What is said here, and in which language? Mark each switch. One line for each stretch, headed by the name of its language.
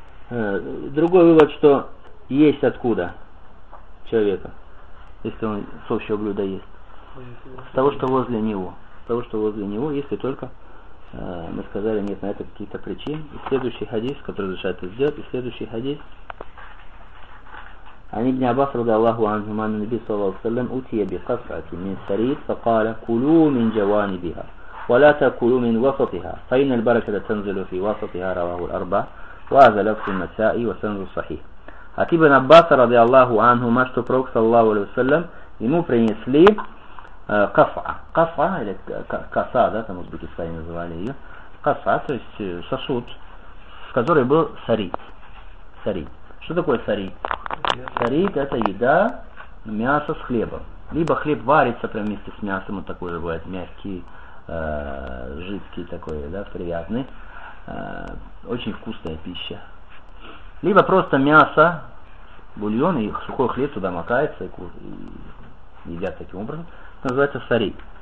Russian: Другой вывод, что есть откуда человека, если он с общего блюда ест. С того, что возле него, если только мы сказали, нет на это каких-то причин. И следующий хадис, который разрешает это сделать, и следующий хадис.
Arabic: عن ابن عباس رضي الله عنهما أن النبي صلى الله عليه وسلم أتي بقصعة من سريد فقال كلوا من جوانبها ولا تأكلوا من وسطها فإن البركة تنزل في وسطها رواه الأربعة وهذا لفظ النسائي وسند صحيح عن ابن عباس رضي الله عنهما
Russian: что пророк
Arabic: صلى الله عليه وسلم
Russian: ему принесли قصعة или قصعة да там узбекистане называли ее قصعة то есть сосуд в который был сарид что такое сарид? Сарид – это еда, мясо с хлебом. Либо хлеб варится прямо вместе с мясом, он такой же бывает мягкий, жидкий такой, да, приятный. Очень вкусная пища. Либо просто мясо, бульон и сухой хлеб туда макается и едят таким образом. Это называется сари.